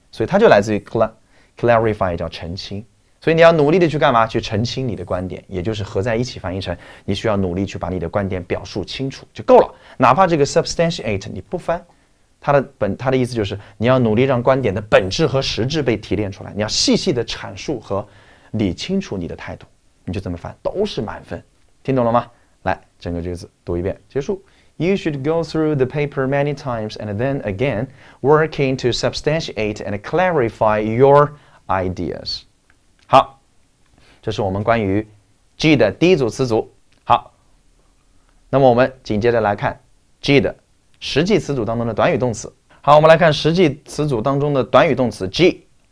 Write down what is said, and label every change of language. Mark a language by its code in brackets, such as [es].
[zh] 所以它就来自于 clarify 叫澄清，所以你要努力的去干嘛？去澄清你的观点，也就是合在一起翻译成你需要努力去把你的观点表述清楚就够了。哪怕这个 substantiate 你不翻，它的意思就是你要努力让观点的本质和实质被提炼出来，你要细细的阐述和理清楚你的态度，你就这么翻都是满分，听懂了吗？来，整个句子读一遍，结束。 [en] You should go through the paper many times and then again, working to substantiate and clarify your ideas. [zh] 好，这是我们关于 G 的第一组词组。好，那么我们紧接着来看 G 的实际词组当中的短语动词。好，我们来看实际词组当中的短语动词 G.